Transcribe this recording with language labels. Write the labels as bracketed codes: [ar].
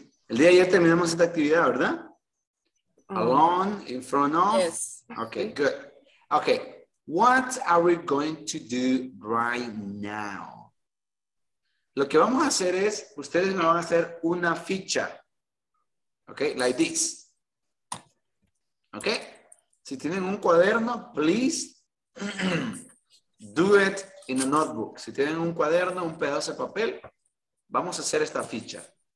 [es] El día de ayer terminamos esta actividad, ¿verdad? [en] Alone, in front of. Yes. Okay, good. Okay, what are we going to do right now? [es] Lo que vamos a hacer es, ustedes me van a hacer una ficha. [en] Okay, like this. Okay, [es] si tienen un cuaderno, [en] please do it in a notebook. [es] Si tienen un cuaderno, un pedazo de papel, vamos a hacer esta ficha.